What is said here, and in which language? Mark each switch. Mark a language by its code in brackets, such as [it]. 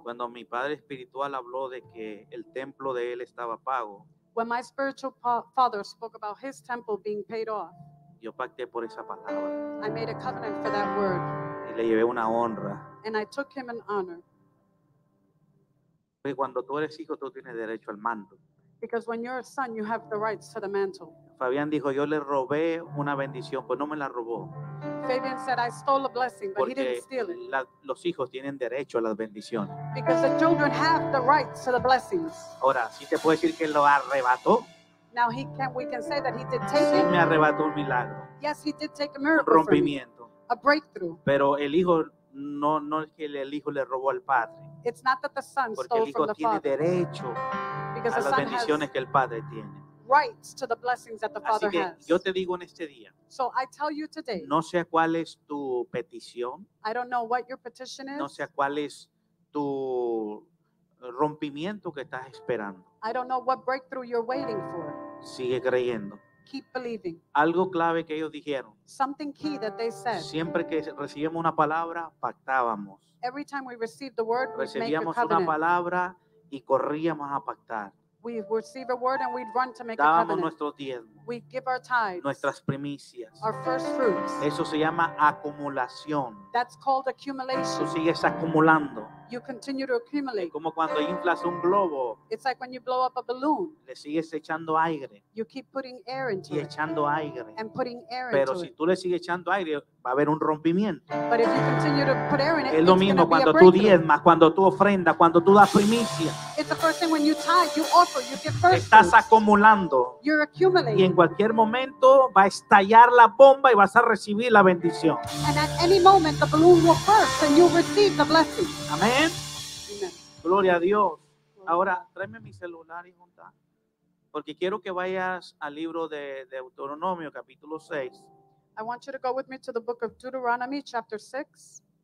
[es] Cuando mi padre espiritual habló de que el templo de él estaba pago, [en] when my spiritual father spoke about his temple being paid off, [es] yo pacté por esa palabra. [en] I made a covenant for that word. [es] Y le llevé una honra. [en] And I took him an honor. [es] Porque cuando tú eres hijo, tú tienes derecho al mando. [en] Because when you're a son, you have the rights to the mantle. [es] Fabián dijo, yo le robé una bendición, pues no me la robó. [en] Fabian said, I stole a blessing, but [es] porque [en] he didn't steal it. [es] La, los hijos tienen derecho a las bendiciones. [en] Because the children have the rights to the blessings. [es] Ahora, ¿sí te puedo decir que lo arrebató? [en] Now he can, we can say that he did take [es] it. Sí, me arrebató un milagro. [en] Yes, he did take a miracle. [es] Un rompimiento. [en] A breakthrough. [es] Pero el hijo... No, no es que el hijo le robó al padre. [en] It's not that the son [es] porque [en] stole [es] el hijo [en] from the [es] tiene [en] father. [es] Derecho [en] because [es] a las bendiciones que el padre tiene. [en] rights to the blessings that the Father [es] has. Yo te digo en este día, [en] so I tell you today, [es] no sé cuál es tu petición, [en] I don't know what your petition is, [es] no sé cuál es tu rompimiento que estás esperando. [en] I don't know what breakthrough you're waiting for. [es] Sigue creyendo. [en] Keep believing. [es] Algo clave que ellos dijeron. [en] Something key that they said. [es] Siempre que recibíamos una palabra, pactábamos. [en] Every time we received the word, we'd make a covenant. [es] Recibíamos una palabra y corríamos a pactar. [en] We receive a word and we'd run to make [es] dábamos [en] a covenant. [es] Nuestro diezmo. [en] We give our tithes. [es] Nuestras primicias. [en] Our first fruits. [es] Eso se llama acumulación. [en] That's called accumulation. [es] Tú sigues acumulando. [en] You continue to accumulate. [es] Es como cuando inflas un globo. [en] It's like when you blow up a balloon. [es] Le sigues echando aire. [en] You keep putting air into [es] it. Y echando aire. [en] And putting air into it. [es] Pero si tú le sigues echando aire, va a haber un rompimiento. [en] But if you continue to put air in it, [es] es lo mismo cuando tú diezmas, cuando tú ofrendas, cuando tú das primicia. [en] It's the first thing when you tithe, you offer, you give first. [es] Estás acumulando. [en] You're accumulating. [es] Y en cualquier momento va a estallar la bomba y vas a recibir la bendición. [en] And at any moment the balloon will burst and you'll receive the blessing. [es] Amén. Gloria a Dios. Ahora tráeme mi celular y junta, porque quiero que vayas al libro de Deuteronomio capítulo 6. [en] I want you to go with me to the book of Deuteronomy chapter 6.